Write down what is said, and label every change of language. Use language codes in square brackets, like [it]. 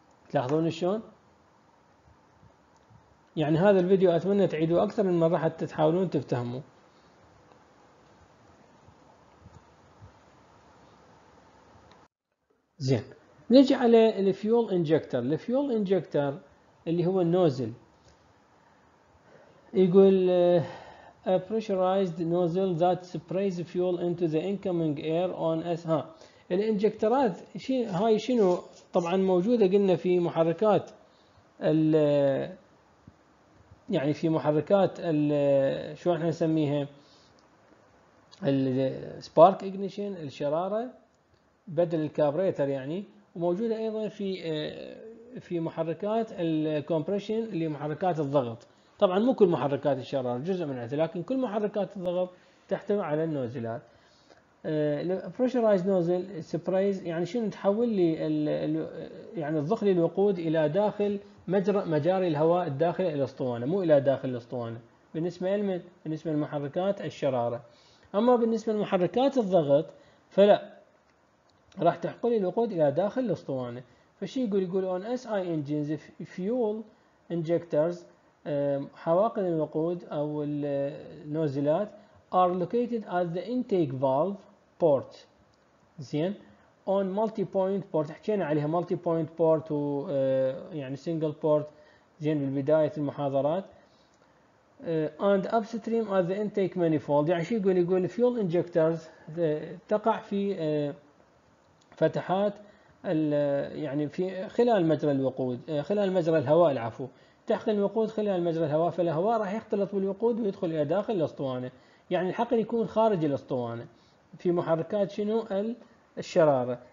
[ar] تلاحظون شلون؟ يعني هذا الفيديو اتمنى تعيدوه اكثر من مرة حتى تحاولون تفتهموا. زين نجي على الفيول انجكتر. الفيول انجكتر اللي هو النوزل، يقول [en] a pressurized nozzle that sprays fuel into the incoming air on S. [ar] ها الانجكترات هاي شنو؟ طبعا موجودة قلنا في محركات ال يعني في محركات ال شو احنا نسميها ال spark ignition الشرارة بدل الكابريتر يعني، وموجودة ايضا في محركات الكومبريشن اللي محركات الضغط. طبعا مو كل محركات الشرارة جزء منها، لكن كل محركات الضغط تحتوي على النوزلات. البريشرايز نوزل سبرايز يعني شنو؟ تحول لي يعني تضخ لي الوقود الى داخل مجاري الهواء الداخل الاسطوانة، مو الى داخل الاسطوانة. بالنسبة لمن؟ بالنسبة لمحركات الشرارة. اما بالنسبة لمحركات الضغط فلا، راح تحقل الوقود الى داخل الاسطوانة. فشي يقول [en] on SI engines fuel injectors [ar] حواقل الوقود او النوزلات [en] are located at the intake valve port [ar] زين [en] on multi point port. [ar] حكينا عليها multi point port و يعني single port زين بالبداية المحاضرات. [en] And upstream at the intake manifold، [ar] يعني شي يقول [en] fuel injectors [ar] تقع في فتحات يعني في خلال مجرى الوقود، خلال مجرى الهواء العفو، تحقن الوقود خلال مجرى الهواء، فالهواء راح يختلط بالوقود ويدخل الى داخل الاسطوانه، يعني الحقل يكون خارج الاسطوانه في محركات شنو؟ الشراره.